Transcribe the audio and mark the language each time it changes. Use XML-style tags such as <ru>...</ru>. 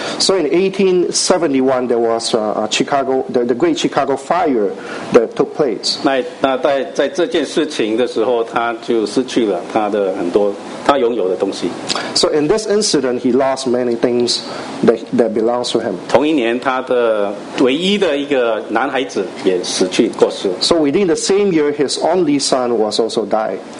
<en>So in 1871, there was Chicago, the Great Chicago Fire that took place.</en> <zh>那在这件事情的时候，他就失去了他的很多他拥有的东西。</zh> <en>So in this incident, he lost many things that belongs to him.</en> <zh>同一年，他的唯一的一个男孩子也死去过世。</zh> <en>So within the same year, his only son was also died.</en>